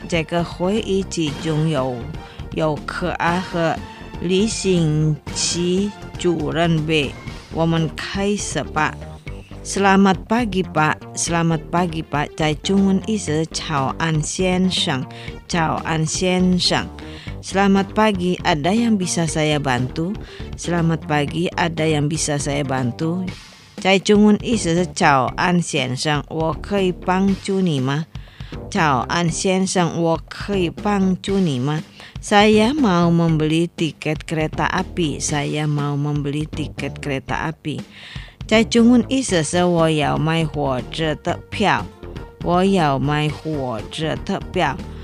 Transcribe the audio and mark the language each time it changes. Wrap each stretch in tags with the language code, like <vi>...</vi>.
<zh>这个会议之中有可爱和李行奇主任为我们开始吧。</zh> <id>Selamat pagi Pak， selamat pagi Pak</id> <zh>在中文意思早安先生，早安先生。</zh> <id>Selamat pagi， ada yang bisa saya bantu？ Selamat pagi， ada yang bisa saya bantu？</id> <zh>在中文意思早安先生，我可以帮助你吗？早安先生，我可以帮助你吗？</zh> <id>Saya mau membeli tiket kereta api， saya mau membeli tiket kereta api。</id> <zh>在中文意思是我要买火车的票，我要买火车的票。</zh>